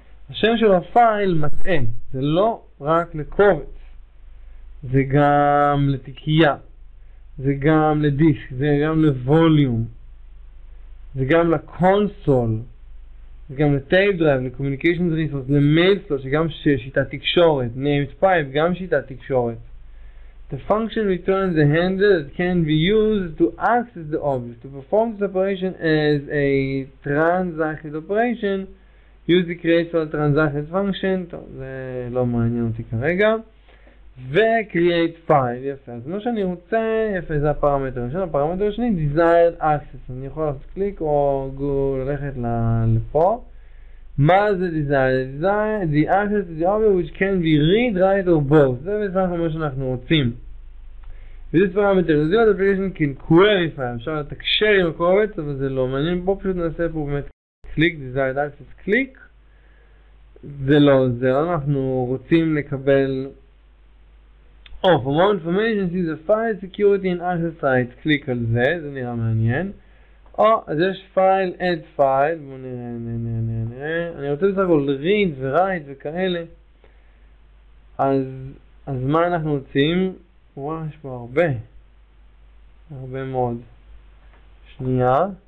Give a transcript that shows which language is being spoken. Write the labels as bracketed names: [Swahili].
[Hebrew] השם של הפייל מתאה, זה לא רק לקובץ, זה גם לתיקייה, זה גם לדיסק, זה גם לווליום, זה גם לקונסול. זה גם ל-tape drive, ל-communications resource, ל-mail slot, שגם שיטת תקשורת, named pipe, גם שיטת תקשורת. [English] The function returns the handle that can be used to access the object. To perform this operation as a transacted operation, use the create file transacted function, [Hebrew] טוב, זה לא מעניין אותי כרגע, ו-create file, יפה. אז מה שאני רוצה, יפה, זה הפרמטר הראשון. הפרמטר השני, desired access. אני יכול לעשות קליק או ללכת לפה. מה זה desired? [English] Desired, the access to the object which can be read, write or both. [Hebrew] זה בסך הכל מה שאנחנו רוצים. וזה פרמטר. זה עוד [English] application can query file. [Hebrew] אפשר לתקשר עם הקובץ, אבל זה לא מעניין. בואו פשוט נעשה פה באמת קליק, דיזיין אנליסיס קליק, זה לא עוזר. אנחנו רוצים לקבל [English] for more information, see the file security and access site, [Hebrew] קליק על זה, זה נראה מעניין. אז יש פייל, add file, בואו נראה, אני רוצה בסך הכל read ו-write וכאלה. אז מה אנחנו רוצים? וואה, יש פה הרבה מאוד. שנייה.